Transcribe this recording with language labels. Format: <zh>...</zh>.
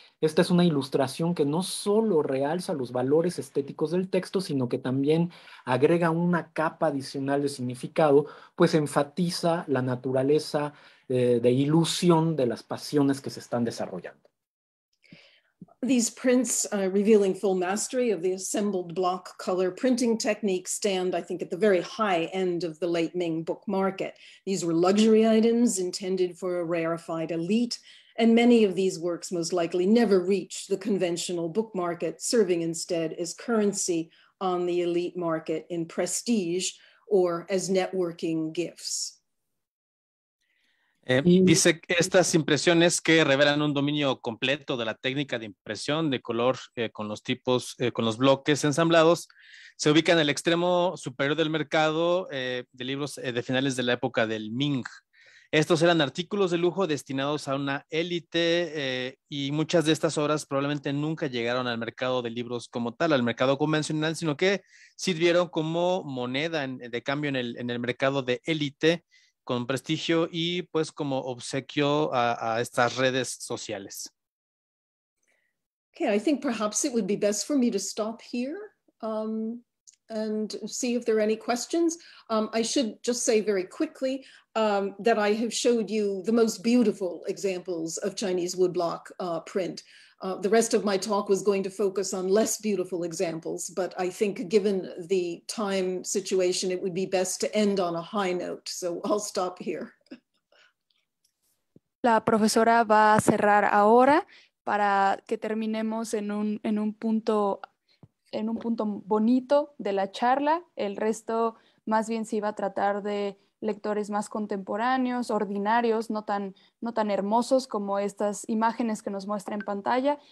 <es>Esta es una ilustración que no solo realza los valores estéticos del texto, sino que también agrega una capa adicional de significado, pues enfatiza la naturaleza de ilusión de las pasiones que se están desarrollando.</es> <en>These prints revealing full mastery of the assembled block color printing technique stand, I think, at the very high end of the late Ming book market. These were luxury items intended for a rarefied elite, and many of these works most likely never reached the conventional book market, serving instead as currency on the elite market in prestige or as networking gifts.</en> <es>Dice que estas impresiones que revelan un dominio completo de la técnica de impresión de color con los tipos, con los bloques ensamblados, se ubican en el extremo superior del mercado de libros de finales de la época del Ming. Estos eran artículos de lujo destinados a una élite y muchas de estas obras probablemente nunca llegaron al mercado de libros como tal, al mercado convencional, sino que sirvieron como moneda de cambio en el mercado de élite, con prestigio y pues como obsequio a estas redes sociales.</es> <en>Okay, I think perhaps it would be best for me to stop here and see if there are any questions. I should just say very quickly that I have showed you the most beautiful examples of Chinese woodblock print. The rest of my talk was going to focus on less beautiful examples, but I think given the time situation, it would be best to end on a high note. So I'll stop here.</en> <es>La profesora va a cerrar ahora para que terminemos en un punto bonito de la charla. El resto más bien se iba a tratar de lectores más contemporáneos, ordinarios, no tan hermosos como estas imágenes que nos muestra en pantalla.</es>